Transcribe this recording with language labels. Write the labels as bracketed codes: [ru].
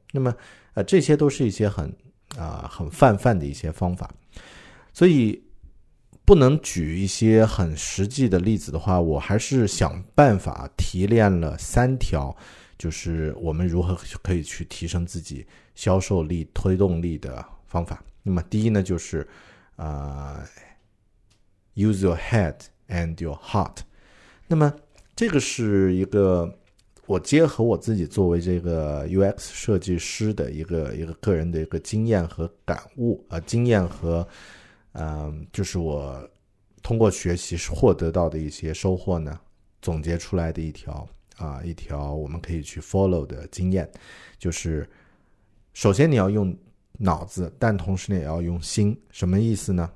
[zh] 那么这些都是一些很泛泛的一些方法，所以不能举一些很实际的例子的话，我还是想办法提炼了三条，就是我们如何可以去提升自己销售力推动力的方法。那么第一呢，就是 [en] Use your head and your heart。 [zh] 那么这个是一个我结合我自己作为这个 UX 设计师的一个个人的一个经验和感悟，经验和就是我通过学习获得到的一些收获呢，总结出来的一条我们可以去 follow 的经验，就是首先你要用脑子，但同时你也要用心。什么意思呢？